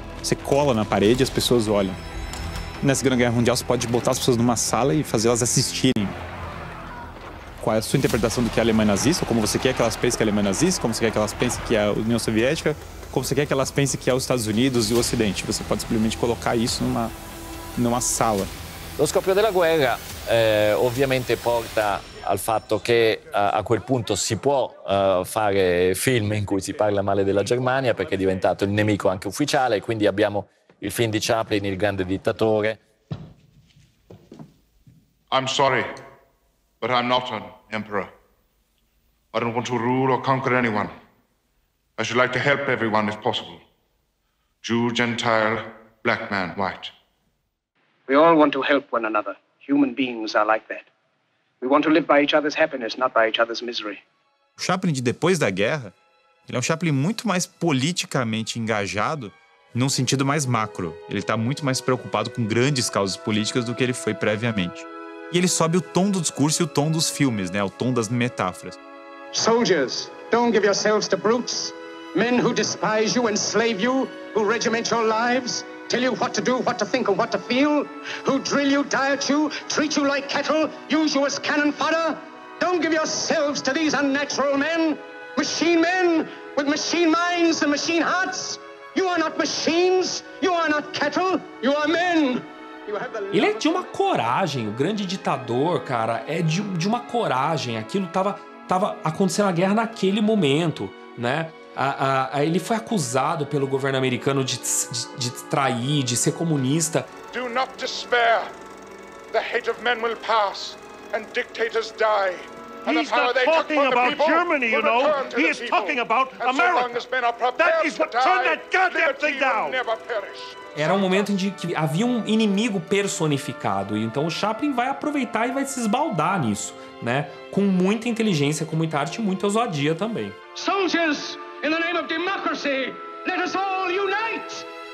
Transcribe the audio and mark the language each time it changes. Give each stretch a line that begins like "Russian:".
Portuguese: Você cola na parede e as pessoas olham. Na Segunda Guerra Mundial, você pode botar as pessoas numa sala e fazê-las assistirem. Qual é a sua interpretação do que é a Alemanha nazista? Como você quer que elas pensem que é a Alemanha nazista? Como você quer que elas pensem que é a União Soviética? Como você quer que elas pensem que é os Estados Unidos e o Ocidente? Você pode simplesmente colocar isso numa sala.
Italian: Lo scoppio della guerra ovviamente porta al fatto che a quel punto si può fare film in cui si parla male della Germania perché è diventato il nemico anche ufficiale, quindi abbiamo il film di Chaplin, Il grande dittatore.
English: I'm sorry, but I'm not an emperor. I don't want to rule or conquer anyone. I should like to help everyone if possible. Jew, Gentile, black man, white. We all want to help one another. Human beings are like that. We want to live by each other's happiness, not by each other's misery.
Portuguese: O Chaplin de depois da guerra, ele é um Chaplin muito mais politicamente engajado num sentido mais macro. Ele está muito mais preocupado com grandes causas políticas do que ele foi previamente. E ele sobe o tom do discurso e o tom dos filmes, né? O tom das metáforas.
English: Soldiers, don't give yourselves to brutes. Men who despise you, enslave you, who regiment your lives, tell you what to do, what to think, and what to feel, who drill you, diet you, treat you like cattle, use you as cannon fodder. Don't give yourselves to these unnatural men, machine men with machine minds and machine hearts. You are not machines, you are not cattle, you are men.
Portuguese: Ele é de uma coragem, o grande ditador, cara, é de uma coragem. Aquilo tava acontecendo a guerra naquele momento, né? Ele foi acusado pelo governo americano de trair, de ser comunista.
English: Do not despair. The hate of men will pass and dictators die. He's not talking about Germany, you know. He is talking about America. That is what turned that goddamn thing down.
Portuguese: Era um momento em que havia um inimigo personificado. E então o Chaplin vai aproveitar e vai se esbaldar nisso, né? Com muita inteligência, com muita arte e muita ousadia também.
English: Soldiers, in the name of democracy, let us all unite!